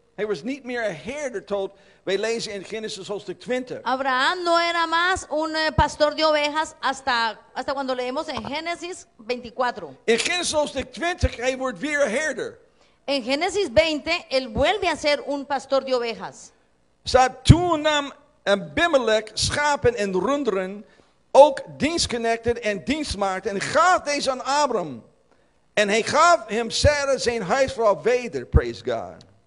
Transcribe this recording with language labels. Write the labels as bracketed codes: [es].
[nl] Hij was niet meer een herder tot wij lezen in Genesis hoofdstuk 20. [es] Abraham no era más un pastor de ovejas hasta cuando leemos en Génesis 24. [nl] In Genesis hoofdstuk 20, hij wordt weer een herder. [es] En Génesis 20, él vuelve a ser un pastor de ovejas. [nl] Staat, toen nam Abimelech schapen en runderen, ook dienstknechten en dienstmaagden, en gaf deze aan Abraham. En hij gaf hem Sarah zijn huisvrouw weder, [en] praise God.